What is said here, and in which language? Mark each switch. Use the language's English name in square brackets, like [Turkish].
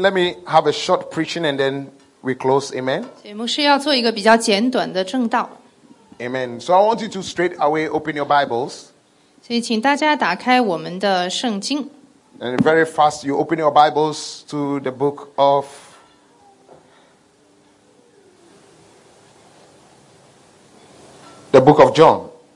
[English] Let me have a short preaching and then we close. Amen. [Chinese] 所以牧师要做一个比较简短的证道。 [English] Amen. So I want you to straight away open your Bibles. [Chinese] 所以请大家打开我们的圣经。 [English] And very fast, you open your Bibles to the book of John.